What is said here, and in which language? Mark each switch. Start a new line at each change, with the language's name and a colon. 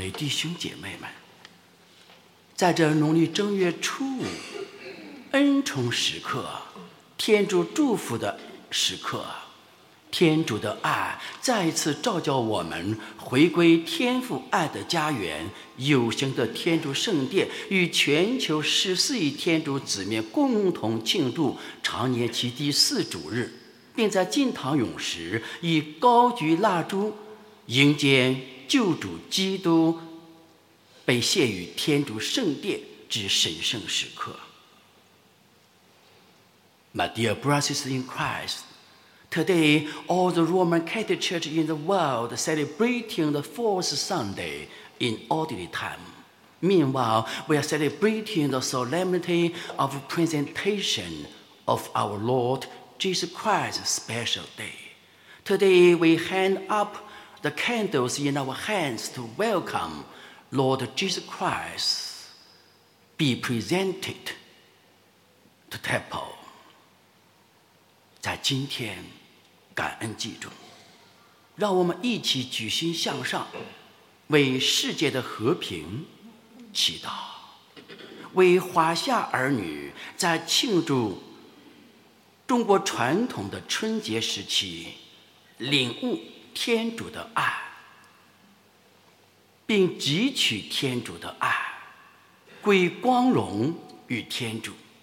Chinese: 兄姐妹们，在这农历正月初五恩宠时刻，天主祝福的时刻，天主的爱再次照耀我们，回归天父爱的家园，有形的天主圣殿，与全球14亿天主子民共同庆祝常年期第四主日，并在进堂永时以高举蜡烛迎接救主基督被献于天主圣殿之神圣时刻。
English: My dear brothers in Christ, today all the Roman Catholic Church in the world celebrating the fourth Sunday in ordinary time. Meanwhile, we are celebrating the solemnity of presentation of our Lord Jesus Christ's special day. Today we hand up the candles in our hands to welcome Lord Jesus Christ be presented to temple.
Chinese: 在今天感恩祭中，让我们一起举心向上，为世界的和平祈祷，为华夏儿女在庆祝中国传统的春节时期领悟天主的爱，并汲取天主的爱，归光荣与天主。